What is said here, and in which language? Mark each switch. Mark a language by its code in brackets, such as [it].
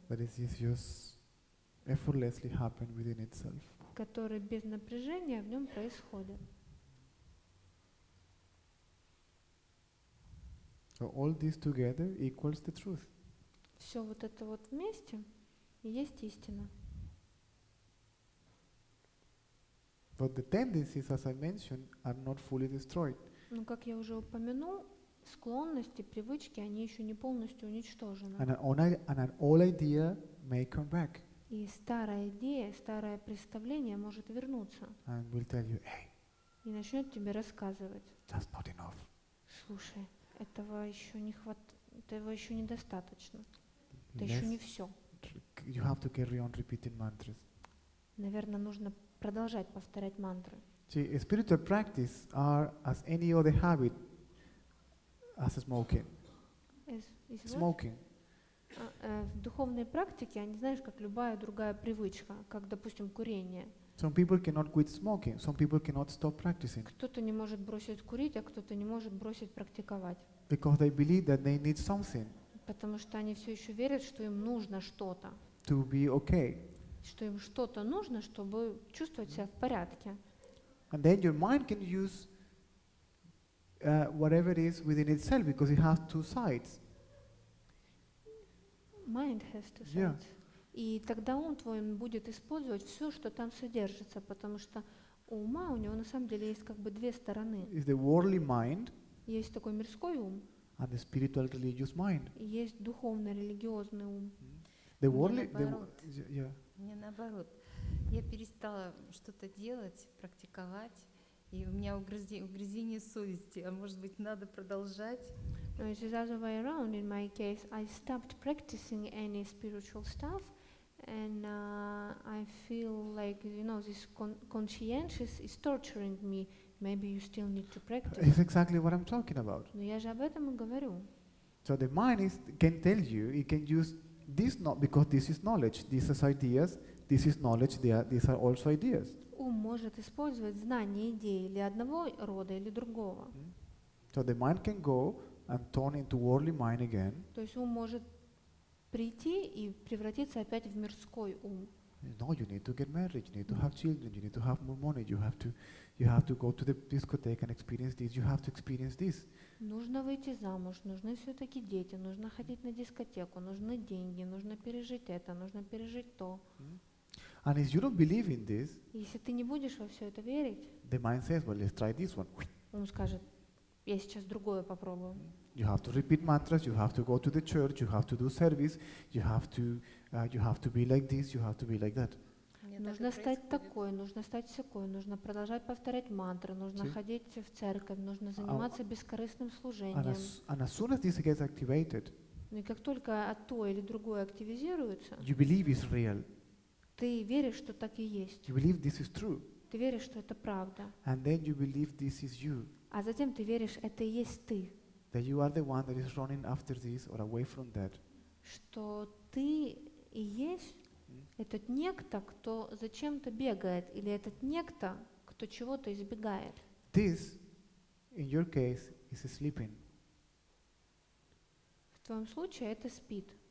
[en] That is just effortlessly happen within itself. [ru] Которое без напряжения в нем происходит. [en] So all this together equals the truth. [ru] Все вот это вот вместе и есть истина. [en] But the tendencies, as I mentioned, are not fully destroyed. [ru] Но, как я уже упомянул, склонности, привычки, они еще не полностью уничтожены. [en] And an old idea may come back. [ru] И старая идея, старое представление может вернуться. [en] And will tell you, hey. [ru] И начнет тебе рассказывать. [en] That's not enough. [ru] Слушай, этого еще недостаточно. Это еще не все. [en] You have to carry on repeating mantras. [ru] Наверное, нужно продолжать повторять мантры. [en] See, spiritual practice are as any other habit, as smoking. Smoking. [ru] В духовной практике, они, знаешь, как любая другая привычка, как, допустим, курение. [en] Some people cannot quit smoking. Some people cannot stop practicing. [ru] Кто-то не может бросить курить, а кто-то не может бросить практиковать. [en] Because they believe that they need something. [ru] Потому что они все еще верят, что им нужно что-то. [en] To be okay. [ru] Что им что-то нужно, чтобы чувствовать себя в порядке. [en] And then your mind can use whatever it is within itself, because it has two sides. Mind has two sides. Yeah. [ru] И тогда ум твой будет использовать все, что там содержится, потому что у ума у него на самом деле есть как бы две стороны. [en] Is the worldly mind. [ru] Есть такой мирской ум. [en] And the spiritual religious mind. [ru] И есть духовный религиозный ум. [en] The worldly, [ru] Мне наоборот, я перестала что-то делать, практиковать, и у меня угрызение совести, а может быть, надо продолжать? [en] No, it's the other way around. In my case, I stopped practicing any spiritual stuff, and I feel like, you know, this conscientious is torturing me. Maybe you still need to practice. It's exactly what I'm talking about. [ru] Но я же об этом и говорю. [en] So the mind can tell you, it can use this, not because this is knowledge. This is ideas. This is knowledge. These are also ideas. [ru] Ум может использовать знания, идеи или одного рода или другого. [en] So the mind can go and turn into worldly mind again. [ru] То есть ум может прийти и превратиться опять в мирской ум. [en] No, you need to get married. You need to have children. You need to have more money. You have to go to the discotheque and experience this. You have to experience this. [ru] Нужно выйти замуж, нужны все-таки дети, нужно ходить на дискотеку, нужны деньги, нужно пережить это, нужно пережить то. [en] And if you don't believe in this, [ru] если ты не будешь во все это верить, [en] the mind says, well, let's try this one. [ru] Ум скажет, я сейчас другое попробую. [en] You have to repeat mantras, you have to go to the church, you have to do service, you have to be like this, you have to be like that. [ru] Нужно стать такой, нужно стать всякой, нужно продолжать повторять мантры, нужно ходить в церковь, нужно заниматься бескорыстным служением. [en] And as soon as this gets activated, [ru] и как только то или другое активизируется, [en] you believe it's real. [ru] Ты веришь, что так и есть. [en] You believe this is true. [ru] Ты веришь, что это правда. [en] And then you believe this is you. [ru] А затем ты веришь, это и есть ты. [en] That you are the one that is running after this or away from that. [ru] Что ты и есть этот некто, кто зачем-то бегает, или этот некто, кто чего-то избегает. [en] This In your case, it's sleeping. [ru] В твоем случае это спит.